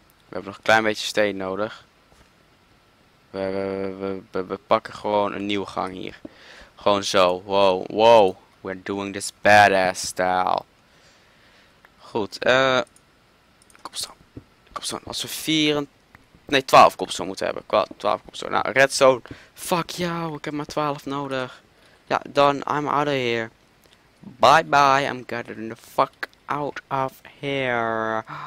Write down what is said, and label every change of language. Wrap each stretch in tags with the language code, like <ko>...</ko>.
<nl>We hebben nog een klein beetje steen nodig. We pakken gewoon een nieuwe gang hier. Gewoon zo. Wow.</nl> <en>We're doing this badass style.</en> <nl>Goed. Kom staan. Als we 12 cobblestone moeten hebben. 12 cobblestone. Nou, redstone. Fuck jou, ik heb maar 12 nodig. Ja, dan,</nl> <en>I'm out of here. Bye, I'm getting the fuck out of here.</en>